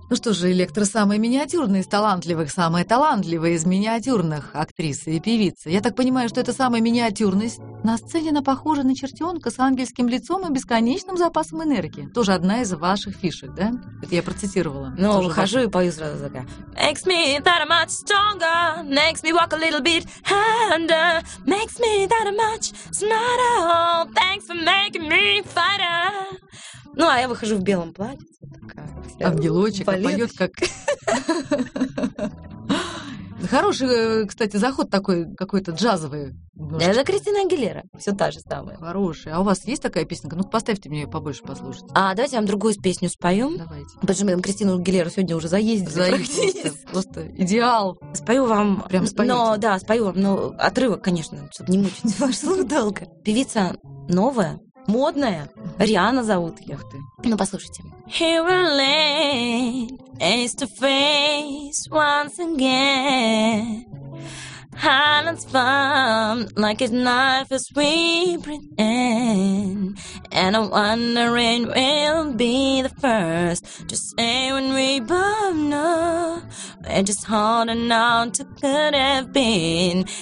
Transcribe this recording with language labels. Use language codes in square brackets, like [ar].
[ru] Ну что же, Электра самая миниатюрная из талантливых, самая талантливая из миниатюрных актрисы и певицы. Я так понимаю, что это самая миниатюрность. На сцене она похожа на чертенка с ангельским лицом и бесконечным запасом энергии. Тоже одна из ваших фишек, да? Это я процитировала. Ну, выхожу и пою сразу за [en] Makes me that much stronger. Makes me walk a little bit harder. Makes me that much smarter. Thanks for making me fighter. [ru] Ну, а я выхожу в белом платье. Такая, ангелочек, балет. А поет как... Хороший, кстати, заход такой, какой-то джазовый. Да, это Кристина Агилера, все та же самая. Хорошая. А у вас есть такая песенка? Ну, поставьте мне ее побольше послушать. А, давайте я вам другую песню споем. Давайте. Потому что мы Кристину Агилеру сегодня уже заездили. Просто идеал. Спою вам. Прям споете? Но, да, спою вам. Но отрывок, конечно, чтобы не мучить ваш слух долго. Певица новая. Модная. Риана зовут. Ух ты. Ну, послушайте. [en] Here we lay face to face once again. Highlands fun like a knife as we breathe in. And I'm wondering we'll be the first to say when we both know we're just holding on to could have been.